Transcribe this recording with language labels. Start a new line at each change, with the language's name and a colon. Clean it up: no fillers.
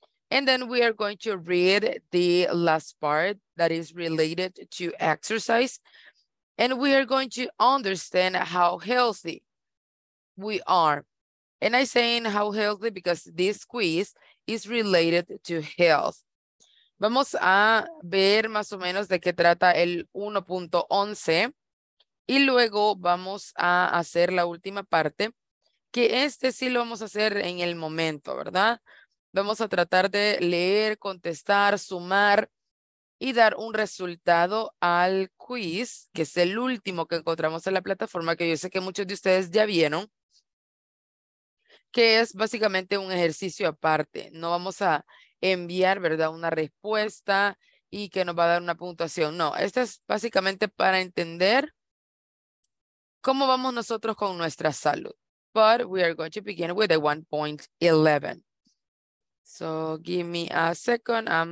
English: And then we are going to read the last part that is related to exercise. And we are going to understand how healthy we are. And I'm saying how healthy because this quiz is related to health.
Spanish: Vamos a ver más o menos de qué trata el 1.11. Y luego vamos a hacer la última parte, que este sí lo vamos a hacer en el momento, ¿verdad? Vamos a tratar de leer, contestar, sumar y dar un resultado al quiz, que es el último que encontramos en la plataforma, que yo sé que muchos de ustedes ya vieron, que es básicamente un ejercicio aparte. No vamos a enviar, ¿verdad?, una respuesta y que nos va a dar una puntuación. No, este es básicamente para entender cómo vamos nosotros con nuestra salud.
English: But we are going to begin with the 1.11. So give me a second.